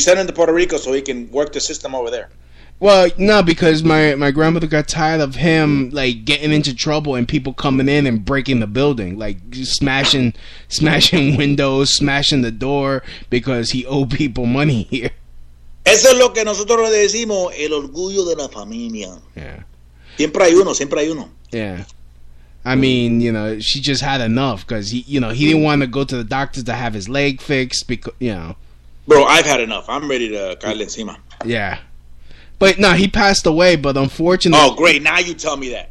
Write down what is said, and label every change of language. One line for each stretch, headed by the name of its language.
English: sent him to Puerto Rico so he can work the system over there. Well, no, because my grandmother got tired of him like getting into trouble and people coming in and breaking the building, like smashing windows, smashing the door because he owed people money here.
Spanish: Eso es lo que nosotros decimos, el orgullo de la familia.
English: Yeah.
Spanish: Siempre hay uno.
English: Yeah. I mean, you know, she just had enough because he, you know, he didn't want to go to the doctor to have his leg fixed because, you know. Bro, I've had enough. I'm ready to call
Spanish: encima.
English: Yeah. But no, he passed away, but unfortunately. Oh, great. Now you tell me that.